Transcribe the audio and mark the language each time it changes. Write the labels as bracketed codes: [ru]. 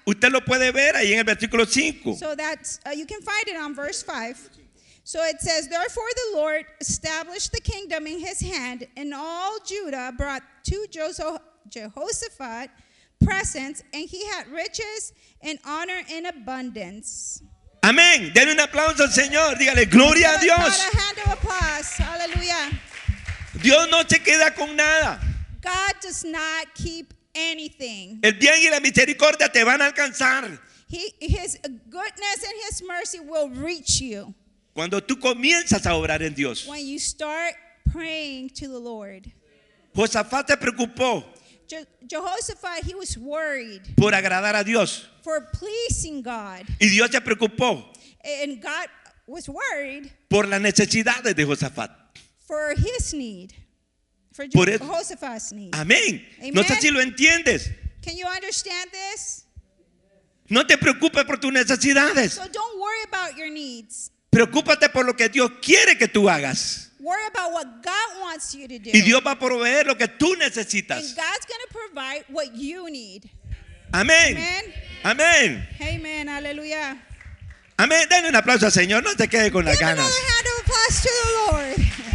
[es] Usted lo puede ver ahí en el versículo 5. [en] So that's, you can find it on verse 5. So it says, therefore the Lord established the kingdom in his hand, and all Judah brought to Jehoshaphat presents, and he had riches and honor in abundance. [es] Amén. Denle un aplauso al Señor. Dígale, gloria a Dios. [en] A hand of applause. Hallelujah. [es] Dios no se queda con nada. [en] God does not keep anything. [es] El bien y la misericordia te van a alcanzar. [en] His goodness and his mercy will reach you. [es] Cuando tú comienzas a obrar en Dios. [en] When you start praying to the Lord. [es] Josafat se preocupó. [en] Jehoshaphat, he was worried. [es] Por agradar a Dios. [en] For pleasing God. [es] Y Dios se preocupó. [en] And God was worried. [es] Por las necesidades de Josafat. [en] For his need. For Jehoshaphat's need. [es] Amén. [en] Amen. [es] No sé si lo entiendes. [en] Can you understand this? [es] No te preocupes por tus necesidades. [en] So don't worry about your needs. [es] Preocúpate por lo que Dios quiere que tú hagas. [en] Worry about what God wants you to do. [es] Y Dios va a proveer lo que tú necesitas. [en] And God's going to provide what you need. [es] Amén. [en] Amen. [es] Amén. [en] Amen. Aleluya. [es] Amén. Denle un aplauso al Señor. No te quedes con [en] give [es] las ganas. [en] Give another hand of applause to the Lord.